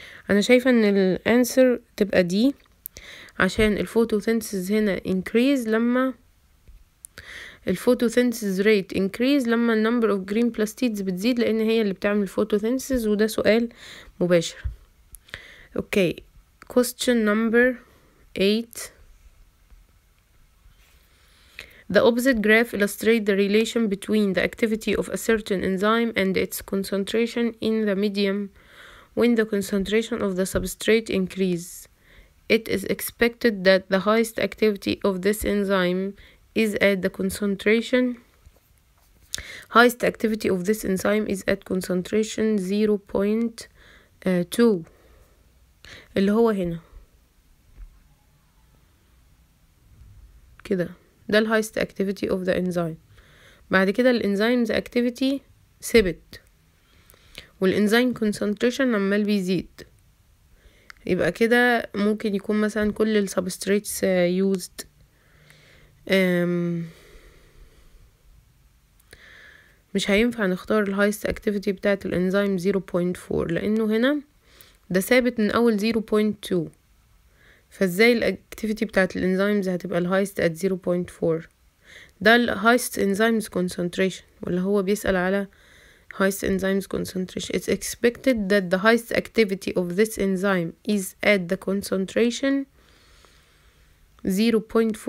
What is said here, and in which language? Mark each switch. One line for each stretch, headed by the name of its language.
Arabic: انا شايفة ان الانسر تبقى دي، عشان الفوتوسينثيز هنا increase لما الفوتوسينثيز rate increase لما
English: number of green plastids
Arabic: بتزيد، لان هي اللي بتعمل photosynthesis، وده سؤال مباشر.
English: okay question number 8, the opposite graph illustrates the relation between the activity of a certain enzyme and its concentration in the medium when the concentration of the substrate increases. It is expected that the highest activity of this enzyme is at the concentration. Highest activity of this enzyme is at concentration 0.2.
Arabic: اللي هو هنا كده، ده ال
English: highest activity of the enzyme.
Arabic: بعد كده ال enzyme's activity ثبت، وال enzyme concentration عمال بيزيد، يبقى كده ممكن يكون مثلا كل السبستريتس يوزد. مش هينفع نختار الهايست اكتيفيتي بتاعت الانزيم 0.4، لانه هنا ده ثابت من اول 0.2، فازاي الاكتيفيتي بتاعت الانزيمز هتبقى الهايست at 0.4؟ ده الهايست انزيمز كونسنتريشن، ولا هو بيسأل على
English: highest enzymes concentration. It's expected that the highest activity of this enzyme is at the concentration 0.4.